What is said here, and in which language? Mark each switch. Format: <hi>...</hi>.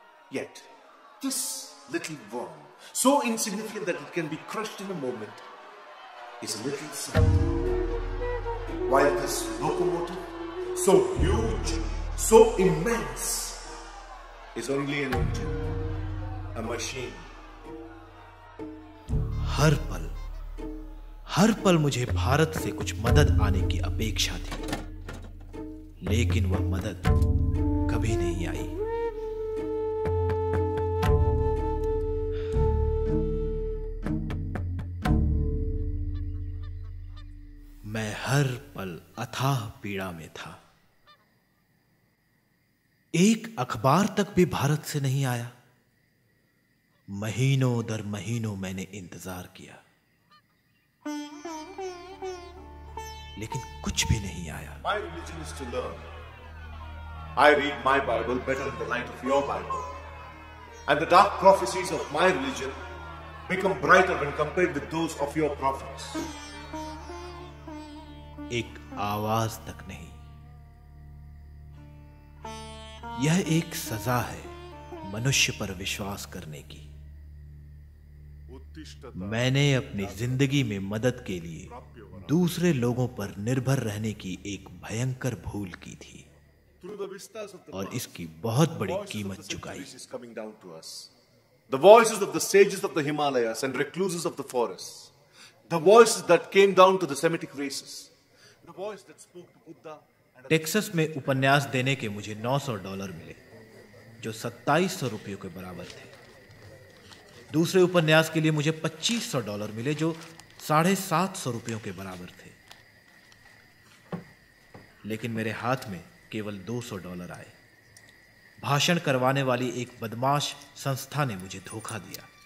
<en>Yet, this little worm, so insignificant that it can be crushed in a moment, is a little something. While this locomotive, so huge, so immense, is only an engine, a machine.</en> <hi>हर पल मुझे भारत से कुछ मदद आने की अपेक्षा थी, लेकिन वह मदद कभी नहीं आई। मैं हर पल अथाह पीड़ा में था। एक अखबार तक भी भारत से नहीं आया। महीनों दर महीनों मैंने इंतजार किया, लेकिन कुछ भी नहीं आया।</hi> <en>My religion is to learn. I read my Bible better in the light of your Bible. And the dark prophecies of my religion become brighter when compared with those of your prophets.</en> <hi>एक आवाज तक नहीं। यह एक सजा है मनुष्य पर विश्वास करने की। मैंने अपनी जिंदगी में मदद के लिए दूसरे लोगों पर निर्भर रहने की एक भयंकर भूल की थी और इसकी बहुत बड़ी कीमत चुकाई।</hi> <en>The voices of the sages of the Himalayas and recluses of the forests. The voices that came down to the Semitic races. The voice that spoke to Buddha.</en> <hi>Texas में उपन्यास देने के मुझे $900 मिले, जो 2700 रुपयों के बराबर थे। दूसरे उपन्यास के लिए मुझे $2500 मिले, जो 750 रुपयों के बराबर थे। लेकिन मेरे हाथ में केवल $200 आए। भाषण करवाने वाली एक बदमाश संस्था ने मुझे धोखा दिया।</hi>